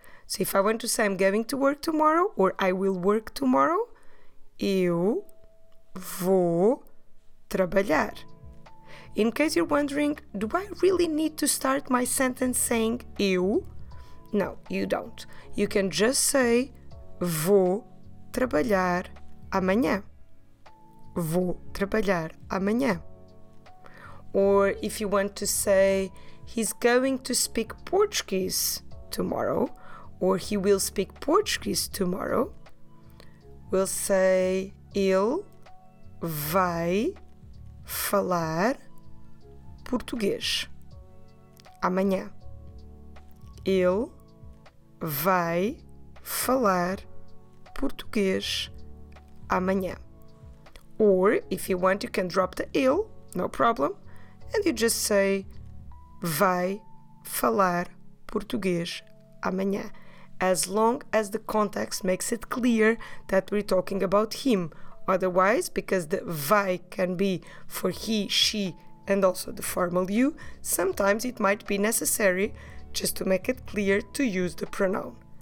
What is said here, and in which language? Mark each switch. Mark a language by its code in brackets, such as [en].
[en] So if I want to say I'm going to work tomorrow or I will work tomorrow, [pt] eu vou trabalhar. [en] In case you're wondering, do I really need to start my sentence saying eu? No, you don't. You can just say [pt] vou trabalhar amanhã. Vou trabalhar amanhã. [en] Or if you want to say he's going to speak Portuguese tomorrow, or he will speak Portuguese tomorrow, we'll say [pt] ele vai falar português amanhã. Ele vai falar português amanhã. [en] Or if you want, you can drop the ele, no problem, and you just say [pt] vai falar português amanhã, [en] as long as the context makes it clear that we're talking about him. Otherwise, because the vai can be for he, she, and also the formal you, sometimes it might be necessary just to make it clear to use the pronoun.